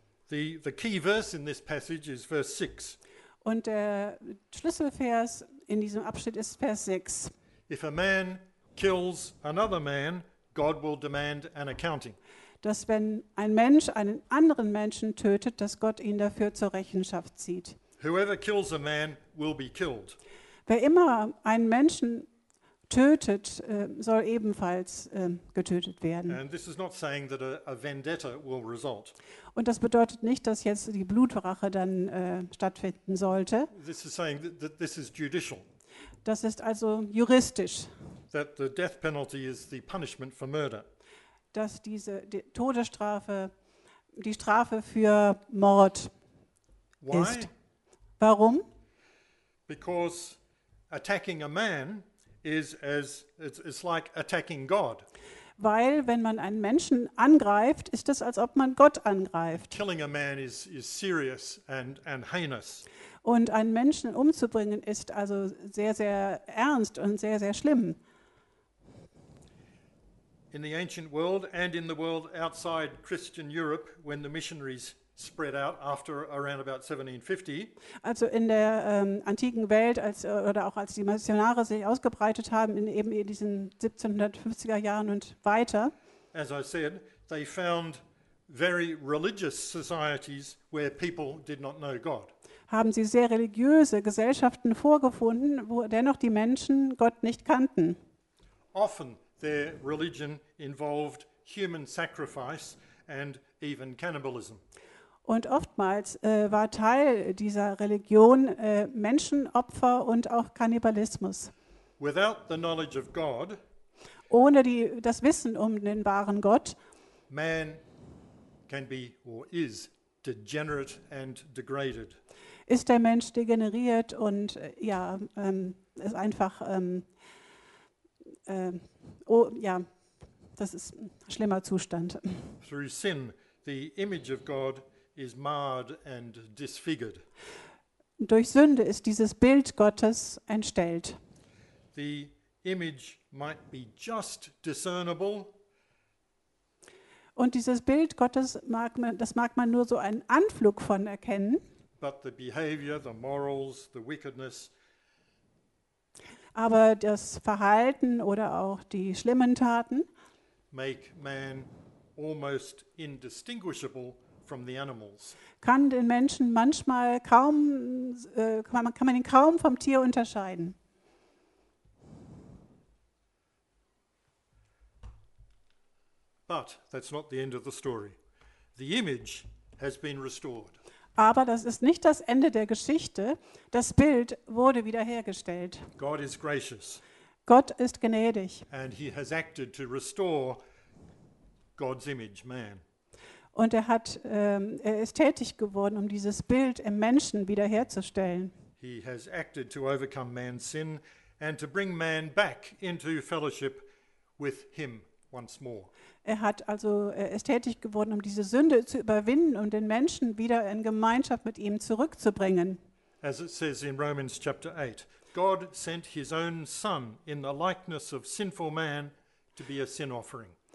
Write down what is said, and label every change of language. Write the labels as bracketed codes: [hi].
[en] The key verse in this passage is verse 6. [de] Und der Schlüsselvers in diesem Abschnitt ist Vers 6. [en] If a man kills another man, God will demand an accounting. [de] Dass wenn ein Mensch einen anderen Menschen tötet, dass Gott ihn dafür zur Rechenschaft zieht. [en] Whoever kills a man will be killed. [de] Wer immer einen Menschen tötet, soll ebenfalls getötet werden. [en] And this is not saying that a vendetta will result. [de] Und das bedeutet nicht, dass jetzt die Blutrache dann stattfinden sollte. [en] This is saying that this is judicial. [de] Das ist also juristisch. [en] That the death penalty is the punishment for murder. [de] Dass diese Todesstrafe die Strafe für Mord [en] Why? [de] Ist. Warum? [en] Because attacking a man is as it's like attacking God. [de] Weil wenn man einen Menschen angreift, ist es als ob man Gott angreift. [en] Killing a man is serious and heinous. [de] Und einen Menschen umzubringen ist also sehr sehr ernst und sehr sehr schlimm. [en] In the ancient world and in the world outside Christian Europe, when the missionaries spread out after around about 1750. [de] Also in der antiken Welt, als oder auch als die Missionare sich ausgebreitet haben in eben in diesen 1750er Jahren und weiter. [en] As I said, they found very religious societies where people did not know God. [de] Haben sie sehr religiöse Gesellschaften vorgefunden, wo dennoch die Menschen Gott nicht kannten. [en] Often their religion involved human sacrifice and even cannibalism. [de] Und oftmals war Teil dieser Religion Menschenopfer und auch Kannibalismus. [en] Without the knowledge of God, [de] ohne das Wissen um den wahren Gott, [en] man can be or is degenerate and degraded. [de] Ist der Mensch degeneriert und ist einfach das ist ein schlimmer Zustand. [en] Through sin, the image of God is marred and disfigured. [de] Durch Sünde ist dieses Bild Gottes entstellt. [en] The image might be just discernible. [de] Und dieses Bild Gottes mag man nur so einen Anflug von erkennen. [en] But the behavior, the morals, the wickedness. [de] Aber das Verhalten oder auch die schlimmen Taten [en] make man almost indistinguishable from the animals. [de] Kann den Menschen manchmal kann man ihn kaum vom Tier unterscheiden. [en] But that's not the end of the story. The image has been restored. [de] Aber das ist nicht das Ende der Geschichte. Das Bild wurde wiederhergestellt. [en] God is gracious. [de] Gott ist gnädig. [en] And he has acted to restore God's image, man. [de] Und er ist tätig geworden, um dieses Bild im Menschen wiederherzustellen. [en] He has acted to overcome man's sin and to bring man back into fellowship with him, once more. [de] Er hat also, er ist tätig geworden, um diese Sünde zu überwinden und den Menschen wieder in Gemeinschaft mit ihm zurückzubringen. [en] As it says in Romans chapter 8, God sent his own son in the likeness of sinful man to be a sin offering.